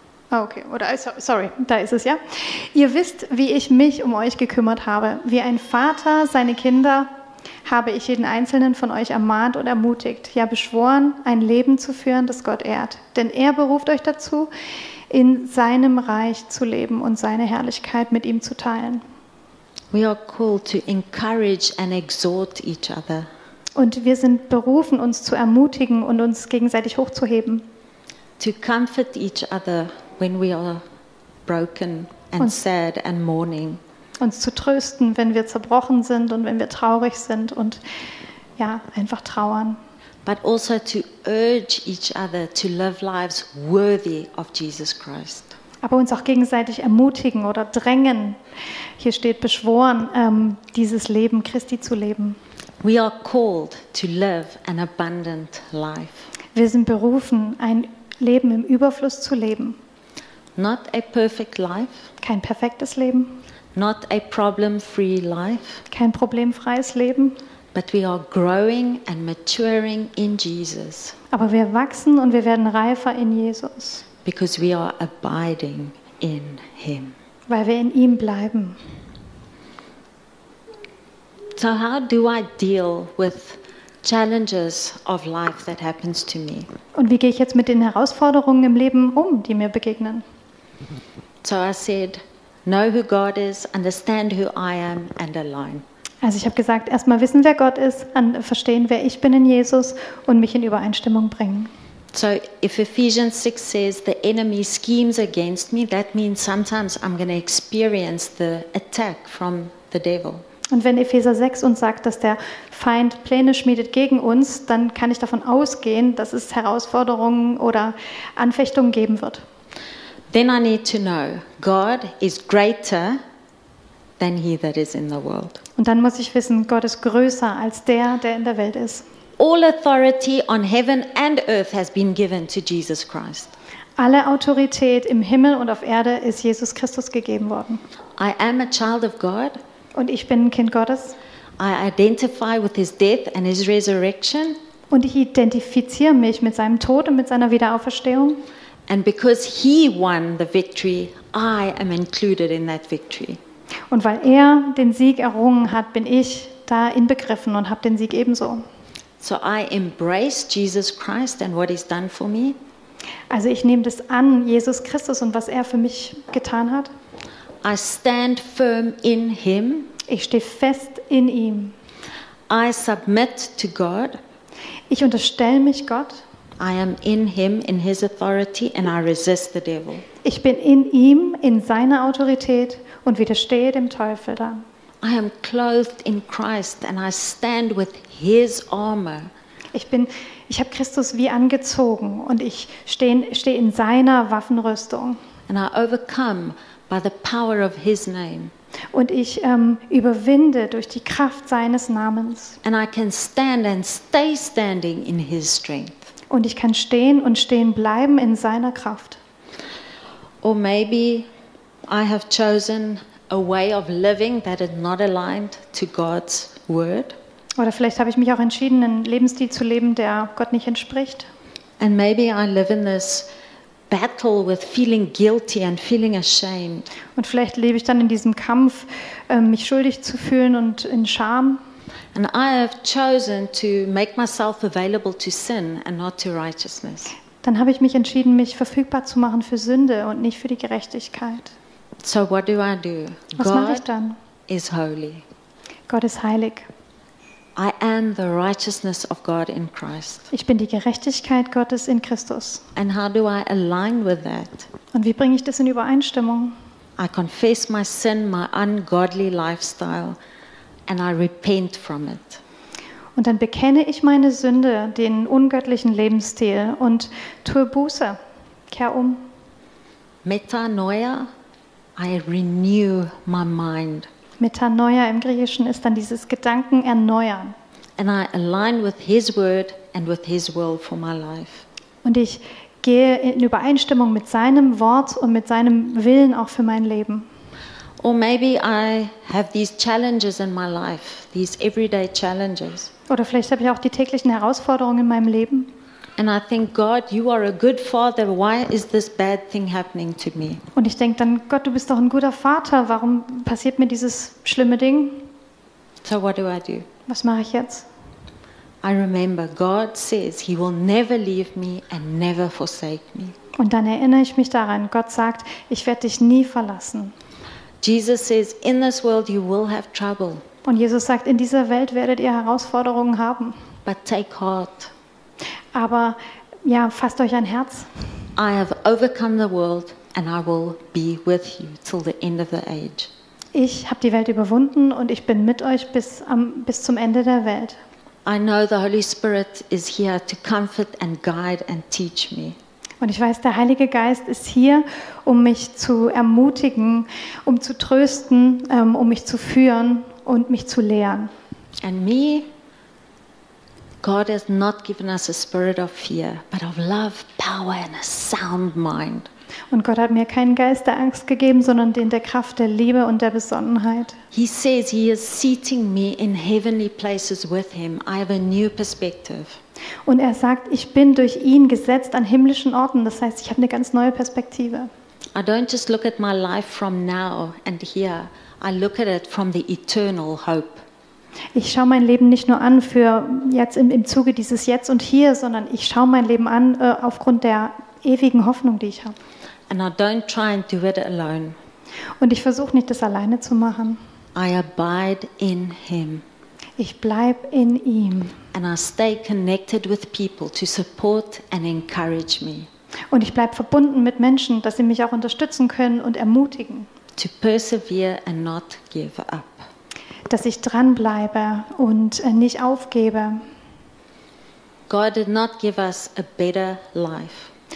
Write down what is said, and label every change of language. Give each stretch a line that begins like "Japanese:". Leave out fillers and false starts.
German: Okay, oder sorry, da ist es ja. Ihr wisst, wie ich mich um euch gekümmert habe, wie ein Vater seine Kinder habe ich jeden Einzelnen von euch ermahnt und ermutigt, ja beschworen, ein Leben zu führen, das Gott ehrt. Denn er beruft euch dazu, in seinem Reich zu leben und seine Herrlichkeit mit ihm zu teilen.
English: We are called to encourage and exhort each other.
German: Und wir sind berufen, uns zu ermutigen und uns gegenseitig hochzuheben.
English: To comfort each other when we are broken and sad and mourning.
German: uns zu trösten, wenn wir zerbrochen sind und wenn wir traurig sind und ja, einfach trauern.
English: But also to urge each other to live lives worthy of Jesus Christ.
German: Aber uns auch gegenseitig ermutigen oder drängen. Hier steht beschworen, dieses Leben Christi zu leben.
English: We are called to live an abundant life.
German: Wir sind berufen, ein Leben im Überfluss zu leben.
English: Not a perfect life.
German: Kein perfektes Leben.
English: Not a problem-free life.
German: Kein problemfreies Leben.
English: But we are growing and maturing in Jesus.
German: Aber wir wachsen und wir werden reifer in Jesus.
English: Because we are abiding in him.
German: Weil wir in ihm bleiben.
English: So how do I deal with challenges of life that happens to me?
German: Und wie gehe ich jetzt mit den Herausforderungen im Leben um, die mir begegnen?
English: So I said, know who God is, understand who I am and align.
German: Also ich habe gesagt, erstmal wissen, wer Gott ist, verstehen, wer ich bin in Jesus und mich in Übereinstimmung bringen.
English: So if Ephesians 6 says the enemy schemes against me, that means sometimes I'm going to experience the attack from the devil.
German: Und wenn Epheser 6 uns sagt, dass der Feind Pläne schmiedet gegen uns, dann kann ich davon ausgehen, dass es Herausforderungen oder Anfechtungen geben wird.
English: Then I need to know, God is greater than he that is in the world.
German: Und dann muss ich wissen, Gott ist größer als der, der in der Welt ist.
English: All authority on heaven and earth has been given to Jesus Christ.
German: Alle Autorität im Himmel und auf Erde ist Jesus Christus gegeben worden.
English: I am a child of God.
German: Und ich bin ein Kind Gottes.
English: I identify with his death and his resurrection.
German: Und ich identifiziere mich mit seinem Tod und mit seiner Wiederauferstehung.
English: And because he won the victory, I am included in that victory.
German: Und weil er den Sieg errungen hat, bin ich da inbegriffen und habe den Sieg ebenso.
English: So I embrace Jesus Christ and what he's done for me.
German: Also ich nehme das an, Jesus Christus und was er für mich getan hat.
English: I stand firm in him.
German: Ich stehe fest in ihm.
English: I submit to God.
German: Ich unterstelle mich Gott.
English: I am in him in his authority and I resist the devil.
German: Ich bin in ihm in seiner Autorität und widerstehe dem Teufel da.
English: I am clothed in Christ and I stand with his armor.
German: Ich habe Christus wie angezogen und ich stehe in seiner Waffenrüstung.
English: And I overcome by the power of his name.
German: Und ich überwinde durch die Kraft seines Namens.
English: And I can stand and stay standing in his strength.
German: Und ich kann stehen und stehen bleiben in seiner Kraft.
English: Or maybe I have chosen a way of living that is not aligned to God's word.
German: Oder vielleicht habe ich mich auch entschieden, einen Lebensstil zu leben, der Gott nicht entspricht.
English: And maybe I live in this battle with feeling guilty and feeling ashamed.
German: Und vielleicht lebe ich dann in diesem Kampf, mich schuldig zu fühlen und in Scham.
English: And I have chosen to make myself available to sin and not to righteousness.
German: Dann habe ich mich entschieden, mich verfügbar zu machen für Sünde und nicht für die Gerechtigkeit.
English: So what do I do?
German: Was mache ich dann?
English: God is holy.
German: Gott ist heilig.
English: I am the righteousness of God in Christ.
German: Ich bin die Gerechtigkeit Gottes in Christus.
English: And how do I align with that?
German: Und wie bringe ich das in Übereinstimmung?
English: I confess my sin, my ungodly lifestyle. And I repent from it.
German: Und dann bekenne ich meine Sünde, den ungöttlichen Lebensstil und tue Buße. Kehr um.
English: Metanoia, I renew my mind.
German: Metanoia im Griechischen ist dann dieses Gedanken erneuern.
English: And I align with his word and with his will for my life.
German: Und ich gehe in Übereinstimmung mit seinem Wort und mit seinem Willen auch für mein Leben.
English: Or maybe I have these challenges in my life, these everyday challenges.
German: Oder vielleicht habe ich auch die täglichen Herausforderungen in meinem Leben.
English: And I think, God, you are a good father. Why is this bad thing happening to me?
German: Und ich denke dann, Gott, du bist doch ein guter Vater. Warum passiert mir dieses schlimme Ding?
English: So what do I do?
German: Was mache ich jetzt?
English: I remember, God says he will never leave me and never forsake me.
German: Und dann erinnere ich mich daran. Gott sagt, ich werde dich nie verlassen.
English: Jesus says, in this world you will have trouble.
German: Und Jesus sagt, in dieser Welt werdet ihr Herausforderungen haben.
English: But take heart.
German: Aber ja, fasst euch ein Herz.
English: I have overcome the world and I will be with you till the end of the age.
German: Ich habe die Welt überwunden und ich bin mit euch bis zum Ende der Welt.
English: I know the Holy Spirit is here to comfort and guide and teach me.
German: Und ich weiß, der Heilige Geist ist hier, um mich zu ermutigen, um zu trösten, um mich zu führen und mich zu lehren.
English: And me, God has not given us a spirit of fear, but of love, power and a sound mind.
German: Und Gott hat mir keinen Geist der Angst gegeben, sondern den der Kraft, der Liebe und der Besonnenheit.
English: He says he is seating me in heavenly places with him. I have a new perspective.
German: Und er sagt, ich bin durch ihn gesetzt an himmlischen Orten. Das heißt, ich habe eine ganz neue Perspektive.
English: I don't just look at my life from now and here. I look at it from the eternal hope.
German: Ich schaue mein Leben nicht nur an für jetzt im Zuge dieses Jetzt und Hier, sondern ich schaue mein Leben an aufgrund der ewigen Hoffnung, die ich habe.
English: And I don't try and do it alone.
German: Und ich versuche nicht, das alleine zu machen.
English: I abide in him.
German: Ich bleibe in ihm.
English: And I stay connected with people to support and encourage me.
German: Und ich bleibe verbunden mit Menschen, dass sie mich auch unterstützen können und ermutigen.
English: To persevere and not give up.
German: Dass ich dranbleibe und nicht aufgebe.
English: God did not give us a better life.